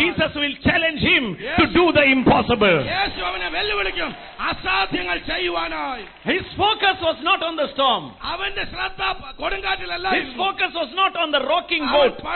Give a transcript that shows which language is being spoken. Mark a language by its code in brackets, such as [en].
[en] Jesus will challenge him to do the impossible. [ml] യേശു അവനെ വെല്ലുവിളിക്കും അസാധ്യങ്ങൾ ചെയ്യുവാനായി. [en] His focus was not on the storm. [ml] അവന്റെ ശ്രദ്ധ കൊടുങ്കാറ്റിലല്ല. [en] His focus was not on the rocking boat.